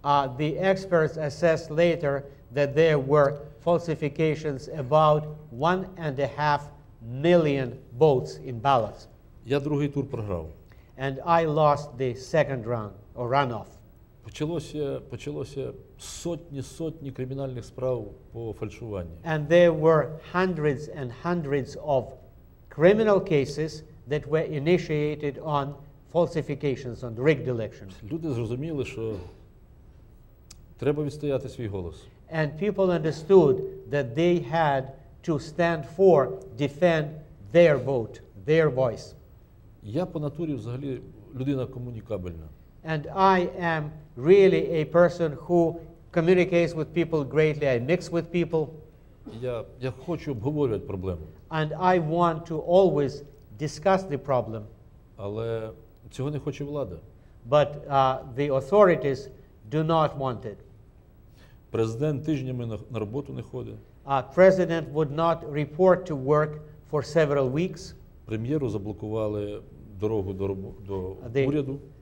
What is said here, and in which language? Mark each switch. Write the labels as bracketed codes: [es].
[en] The experts assessed later that there were falsifications about 1.5 million votes in ballots. [uk] Я другий тур програв. [en] And I lost the second round or runoff. [uk] Почалося сотні кримінальних справ по фальшуванню. [en] And there were hundreds and hundreds of criminal cases that were initiated on falsifications, on rigged elections. [uk] Люди зрозуміли, що треба відстояти свій голос. [en] And people understood that they had to stand for, defend their vote, their voice. [uk] Я по натурі взагалі людина комунікабельна. [en] And I am really a person who communicates with people greatly. I mix with people. [uk] Я хочу обговорювати проблему. [en] And I want to always discuss the problem. [uk] Але цього не хоче влада. [en] But the authorities do not want it. [uk] Президент тижнями на роботу не ходить. [en] President would not report to work for several weeks. [uk] Прем'єру заблокували дорогу до уряду.